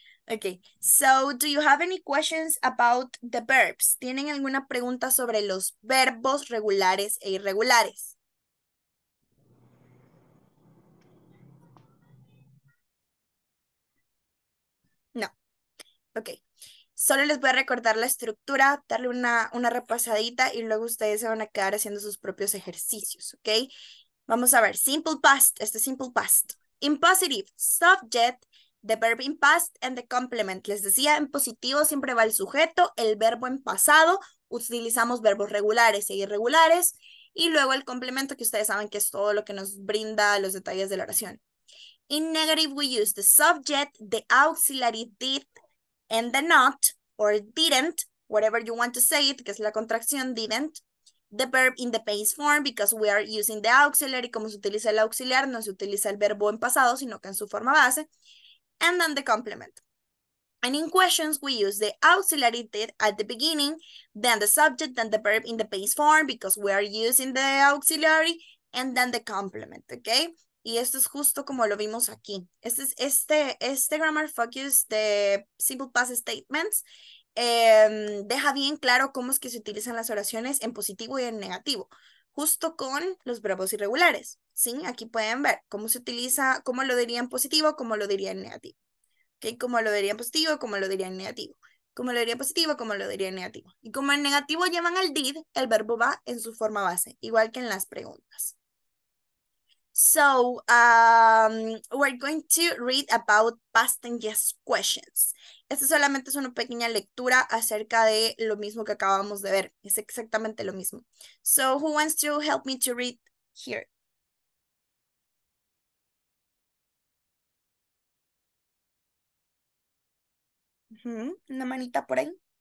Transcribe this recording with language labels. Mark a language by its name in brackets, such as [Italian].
[English] Ok, so, do you have any questions about the verbs? [Spanish] ¿Tienen alguna pregunta sobre los verbos regulares e irregulares? No. Ok. Solo les voy a recordar la estructura, darle una repasadita y luego ustedes se van a quedar haciendo sus propios ejercicios, ¿ok? Vamos a ver, simple past, este simple past. [English] In positive, subject, the verb in past and the complement. [Spanish] Les decía, en positivo siempre va el sujeto, el verbo en pasado, utilizamos verbos regulares e irregulares y luego el complemento que ustedes saben que es todo lo que nos brinda los detalles de la oración. [English] In negative, we use the subject, the auxiliary did, and the not, or didn't, whatever you want to say it, que es la contracción didn't, the verb in the past form because we are using the auxiliary. [Spanish] Como se utiliza el auxiliar, no se utiliza el verbo en pasado, sino que en su forma base. [English] And then the complement. And in questions, we use the auxiliary did at the beginning, then the subject, then the verb in the past form because we are using the auxiliary, and then the complement, okay? [Spanish] Y esto es justo como lo vimos aquí. Este grammar focus de simple past statements deja bien claro cómo es que se utilizan las oraciones en positivo y en negativo, justo con los verbos irregulares, ¿sí? Aquí pueden ver cómo se utiliza, cómo lo diría en positivo, cómo lo diría en negativo. ¿Okay? ¿Cómo lo diría en positivo, cómo lo diría en negativo? ¿Cómo lo diría en positivo, cómo lo diría en negativo? Y como en negativo llevan el did, el verbo va en su forma base, igual que en las preguntas. [English] So, we're going to read about past tense questions. [Spanish] Esta solamente es una pequeña lectura acerca de lo mismo que acabamos de ver. Es exactamente lo mismo. So, who wants to help me to read here? ¿Una manita por ahí?